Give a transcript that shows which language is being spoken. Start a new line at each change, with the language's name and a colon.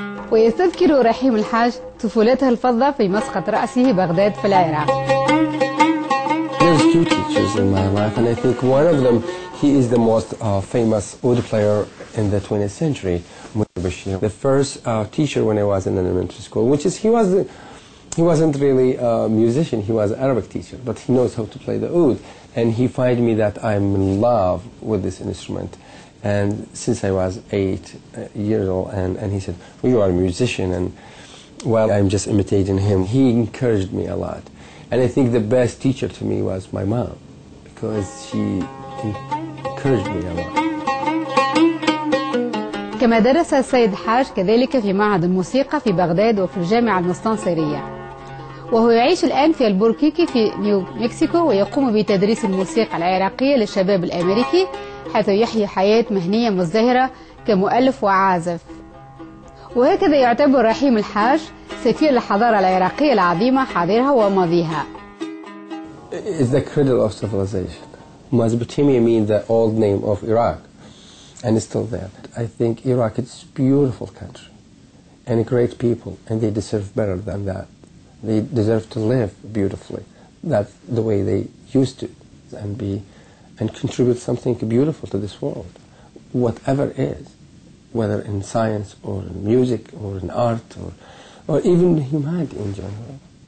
Arabic: ويستذكر رحيم الحاج طفولته الفضة في مسقط رأسه بغداد في العراق.
English: There's two teachers in my life, and I think one of them, he is the most famous oud player in the 20th century, Munir Bashir. The first teacher when I was in elementary school, which is he wasn't really a musician, he was an Arabic teacher, but he knows how to play the oud, and he find me that I'm in love with this instrument. And since I was 8 years old, and he said, well, you are a musician, and well, I'm just imitating him. He encouraged me a lot. And I think the best teacher to me was my mom, because she encouraged me a lot.
Arabic: كما درس السيد حاج كذلك في معهد الموسيقى في بغداد وفي الجامعة المستنصرية. وهو يعيش الآن في البوركيكي في نيو مكسيكو ويقوم بتدريس الموسيقى العراقية للشباب الأمريكي حيث يحيي حياة مهنية مزدهرة كمؤلف وعازف. وهكذا يعتبر رحيم الحاج سفير الحضارة العراقية العظيمة حاضرها وماضيها.
English: It's the cradle of civilization. Mesopotamia means the old name of Iraq, and it's still there. I think Iraq is a beautiful country and a great people, and they deserve better than that. They deserve to live beautifully, that the way they used to, and be and contribute something beautiful to this world, whatever it is, whether in science or in music or in art or even humanity in general.